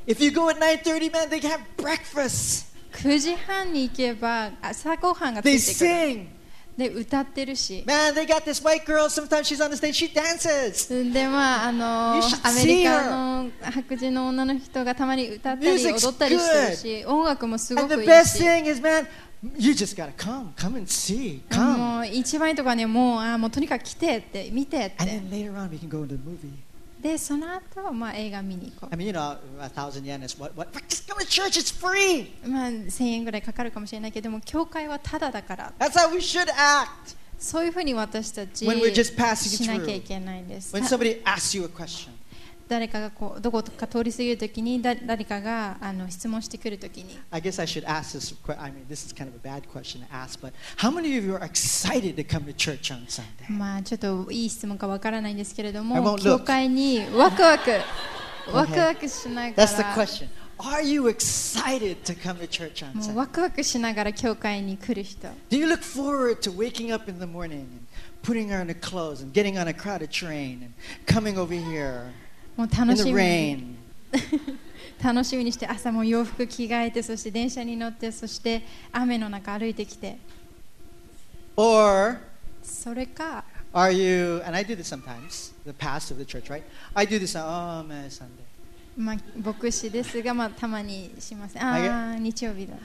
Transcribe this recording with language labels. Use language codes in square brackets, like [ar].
[en] If you go at 9:30, man, they have breakfast. [ja] 9時半に行けば朝ごはんがついてくる。 [en] They sing. [ja] で歌ってるし。 [en] Man, they got this white girl. Sometimes she's on the stage. She dances. [ja] で、まあ、アメリカの白人の女の人がたまに歌ったり踊ったりしてるし、音楽もすごくいいし。 [en] And the best thing is, man, you just gotta come. Come and see. Come. [ja] もう一番いいとこはね、もう、あ、もうとにかく来てって、見てって。 [en] And then later on, we can go to the movie. [ja] でその後、まあ、映画見に行こう。 [en] I mean, you know, 1,000 yen is what? But just come to church, it's free! [ja] まあ、1000円ぐらいかかるかもしれないけど、でも教会はタダだから。 [en] That's how we should act! [ja] そういうふうに私たち [en] when we're just passing [ja] しなきゃいけないんです。 [en] When somebody asks you a question. [ja] 誰かがこうどこか通り過ぎるときに、誰かが質問してくるときに。 [en] I guess I should ask this question. I mean, this is kind of a bad question to ask, but how many of you are excited to come to church on Sunday? [ja] まあ、ちょっといい質問かわからないんですけれども、教会にワクワク、ワクワクしながら。 [en] That's the question. Are you excited to come to church on Sunday? [ja] もうワクワクしながら教会に来る人。 [en] Do you look forward to waking up in the morning and putting on the clothes and getting on a crowded train and coming over here? [ja] もう楽しみに楽しみにして朝も洋服着替えてそして電車に乗ってそして雨の中歩いてきて [en] or [ja] それか [en] are you and I do this sometimes the pastor of the church right I do this on oh, man, Sunday [ja] まあ牧師ですが、まあ、たまにしますああ日曜日だ